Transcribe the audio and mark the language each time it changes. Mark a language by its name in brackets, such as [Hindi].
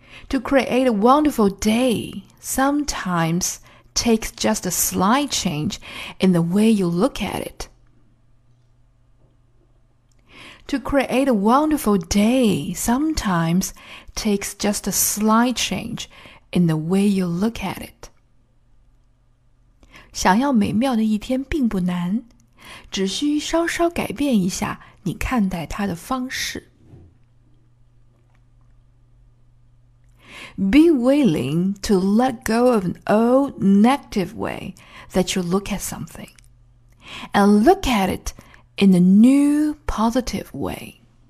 [English] To create a wonderful day sometimes takes just a slight change in the way you look at it. To create a wonderful day sometimes takes just a slight change in the way you look at it. [Chinese] 想要美妙的一天并不难，只需稍稍改变一下你看待它的方式。 [English] Be willing to let go of an old negative way that you look at something, and look at itIn a new positive way.